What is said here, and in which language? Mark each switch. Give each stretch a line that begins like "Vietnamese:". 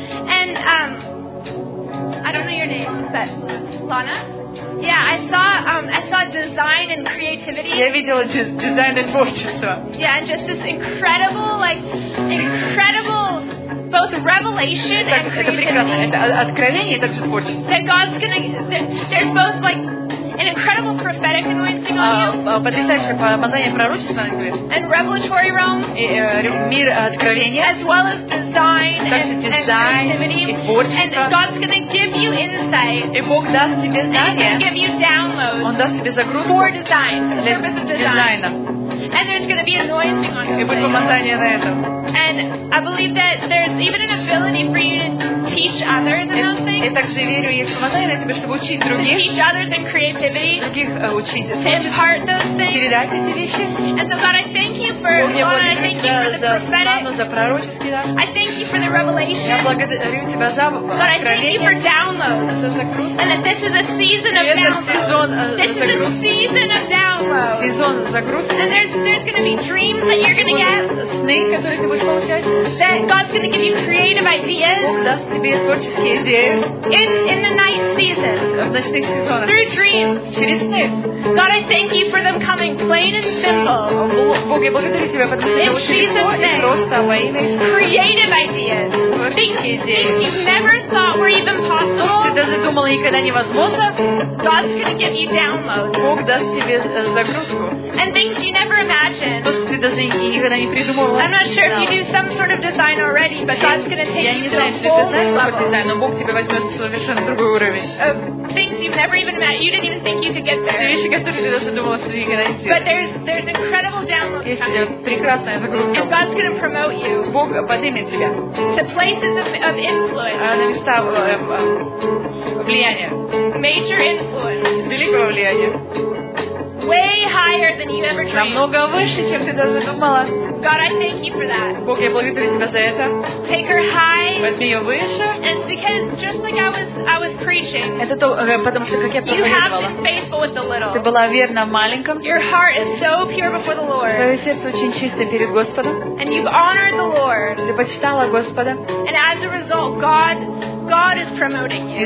English: And, I don't know your name, but Lana? Yeah, I saw design and creativity.
Russian: Я видела дизайн и творчество.
English: Yeah, and just this incredible, incredible both revelation and creativity.
Russian: Откровение и также творчество.
English: That God's gonna, there's both an incredible prophetic anointing on you.
Russian: Потрясающее помазание пророчества на тебе.
English: And revelatory realm.
Russian: И мир откровения.
English: As well as design and creativity. And God's gonna give you insight.
Russian: И Бог даст тебе знания.
English: And give you downloads.
Russian: Он даст тебе загрузку.
English: For design, for the purpose of design. And there's gonna be anointing on you.
Russian: И будет помазание на этом.
English: And I believe that there's even an ability for you to teach others in those things.
Russian: Я также верю, есть помазание на тебе, чтобы учить других.
English: To teach others in creativity.
Russian: Других учить.
English: To impart those things.
Russian: Передать эти вещи.
English: And so God, I thank you for
Russian: за пророчество.
English: I thank you for the revelation.
Russian: Я благодарю тебя за откровение.
English: But I thank you for downloads. And that this is a season of downloads. This is a season of downloads.
Russian: Сезон загрузки.
English: And there's going to be dreams that you're going to get.
Russian: Сны, которые ты будешь получать.
English: That God's going to give you creative ideas.
Russian: Бог даст тебе творческие идеи.
English: In the night season.
Russian: В ночных сезонах.
English: Through dreams.
Russian: Через сны.
English: God, I thank you for them coming plain and simple.
Russian: Бог, я благодарю тебя, потому что это очень легко и просто во имя Иисуса.
English: Creative ideas.
Russian: Творческие идеи.
English: Things you never thought were even possible.
Russian: То, что ты даже думала никогда невозможно.
English: God's going to give you downloads.
Russian: Бог даст тебе загрузку.
English: And things you never imagined.
Russian: То, что ты даже никогда не придумывала.
English: I'm not sure if you do some sort of design already, but God's going to take you to a whole level.
Russian: Я не знаю, что ты знаешь, но Бог тебя возьмет совершенно другой уровень.
English: Things you've never even imagined. You didn't even think you could get there.
Russian: Те вещи, которые ты даже думала, что ты никогда не сделаешь.
English: But there's incredible downloads.
Russian: Есть прекрасная загрузка.
English: And God's going to promote you.
Russian: Бог поднимет тебя.
English: To places of influence.
Russian: На места влияния.
English: Major influence.
Russian: Великого влияния.
English: Way higher than you ever dreamed.
Russian: Намного выше, чем ты даже думала.
English: God, I thank you for that.
Russian: Бог, я благодарю тебя за это.
English: Take her high.
Russian: Возьми ее выше.
English: And because just like I was preaching.
Russian: Это то, потому что как я проповедовала.
English: You have been faithful with the little.
Russian: Ты была верна в маленьком.
English: Your heart is so pure before the Lord.
Russian: Твое сердце очень чисто перед Господом.
English: And you've honored the Lord.
Russian: Ты почитала Господа.
English: And as a result, God is promoting you.